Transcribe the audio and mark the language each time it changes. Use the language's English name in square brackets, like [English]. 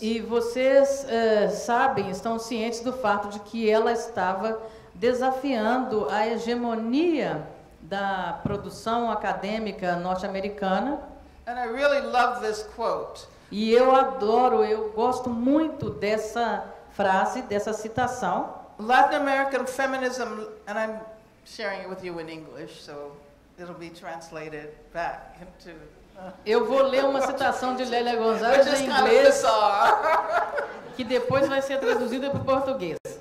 [Portuguese] E vocês sabem, estão cientes do fato de que ela estava desafiando a hegemonia da produção acadêmica norte-americana. [English] And I really love this quote. [Portuguese] E eu adoro, eu gosto muito dessa frase, dessa citação. [English] Latin American feminism, and I'm sharing it with you in English, so it'll be translated back into. [Portuguese] Eu vou ler uma citação de Lélia Gonzalez em inglês, que depois vai ser traduzida para o português.